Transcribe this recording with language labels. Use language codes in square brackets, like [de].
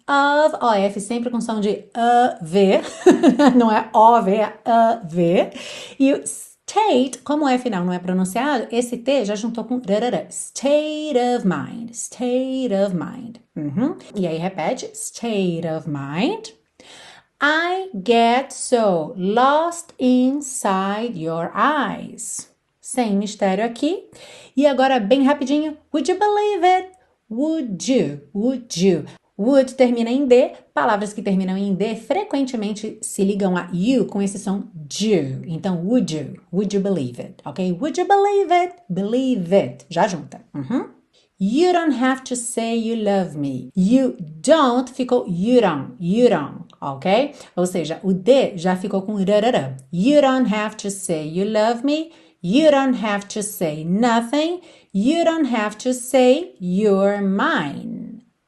[pt] Of, OF, sempre com som de AV. Não é OV, é AV. E o State, como é final, não é pronunciado, esse T já juntou com rarara, [en] state of mind, state of mind. [pt] E aí repete, state of mind. [en] I get so lost inside your eyes. [pt] Sem mistério aqui. E agora, bem rapidinho, [en] would you believe it? Would you? Would you? Would [pt] termina em D. Palavras que terminam em D frequentemente se ligam a you com esse som do. Então, [en] would you? Would you believe it? [pt] Ok? [en] Would you believe it? Believe it. [pt] Já junta. [en] You don't have to say you love me. You don't ficou you don't. You don't. Ok? [pt] Ou seja, o D já ficou com rarara. [en] You don't have to say you love me. You don't have to say nothing. You don't have to say you're mine.